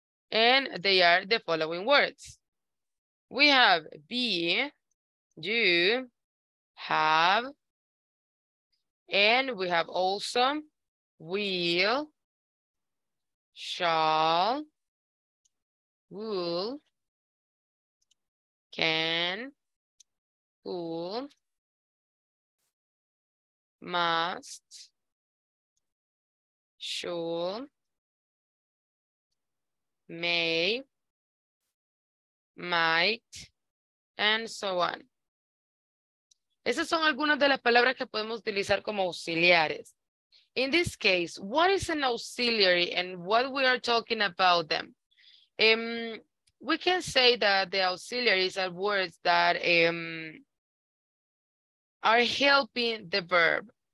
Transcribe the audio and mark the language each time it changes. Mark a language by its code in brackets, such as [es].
[en] And they are the following words. We have be, do, have, and we have also will, shall, will, can, will, must, should, may, might, and so on. [es] Esas son algunas de las palabras que podemos utilizar como auxiliares. [en] In this case, what is an auxiliary and what we are talking about them? We can say that the auxiliaries are words that are helping the verb.